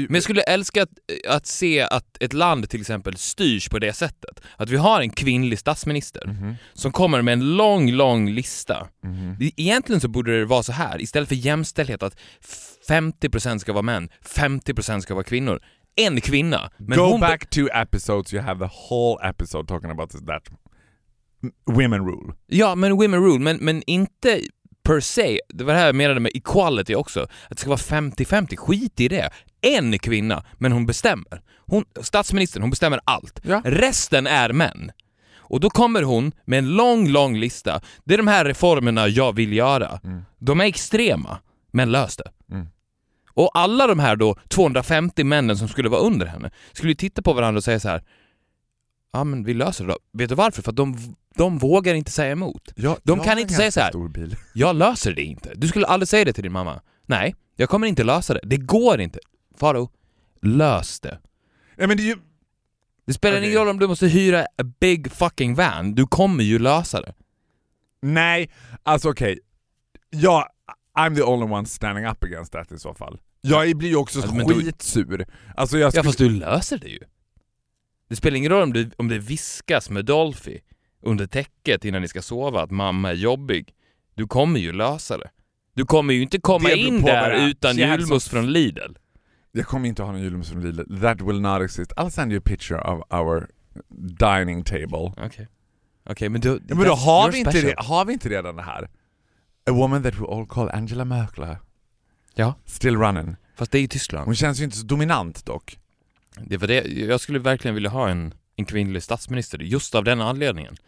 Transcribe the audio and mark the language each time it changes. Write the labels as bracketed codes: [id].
[sv] Men jag skulle älska att se att ett land till exempel styrs på det sättet. Att vi har en kvinnlig statsminister som kommer med en lång, lång lista. Egentligen så borde det vara så här. Istället för jämställdhet att 50% ska vara män, 50% ska vara kvinnor. En kvinna. [en] Men go back to episodes, you have the whole episode talking about this, that women rule. [sv] Ja, men [en] women rule, [sv] men inte... Per se, det var det här jag menade med equality också. Att det ska vara 50-50, skit i det. En kvinna, men hon bestämmer. Statsministern, hon bestämmer allt. Ja. Resten är män. Och då kommer hon med en lång, lång lista. Det är de här reformerna jag vill göra. Mm. De är extrema, men lös det. Mm. Och alla de här då 250 männen som skulle vara under henne skulle ju titta på varandra och säga så här, ja, men vi löser det då. Vet du varför? För att de vågar inte säga emot. Ja, de kan inte säga så här, stor bil. Jag löser det inte. Du skulle aldrig säga det till din mamma. Nej, jag kommer inte lösa det. Det går inte. Faro, lös det. Ja, men det, ju... det spelar ingen roll om du måste hyra [en] a big fucking van. [sv] Du kommer ju lösa det. Nej, alltså okej. Okay. [en] Jag, I'm the only one standing up against that [sv] i så fall. Jag blir ju också skitsur. Alltså, ja, fast du löser det ju. Det spelar ingen roll om det viskas med Dolphy under täcket innan ni ska sova att mamma är jobbig. Du kommer ju lösa det. Du kommer ju inte komma in där utan julmust från Lidl. Jag kommer inte ha någon julmust från Lidl. [en] That will not exist. I'll send you a picture of our dining table. [sv] Okej. Okay, men då, ja, men då har, vi inte, har vi inte redan det här? [en] A woman that we all call Angela Merkel. [sv] Ja. [en] Still running. [sv] Fast det är ju Tyskland. Hon känns ju inte så dominant dock. Det var det. Jag skulle verkligen vilja ha en kvinnlig statsminister. Just av den anledningen.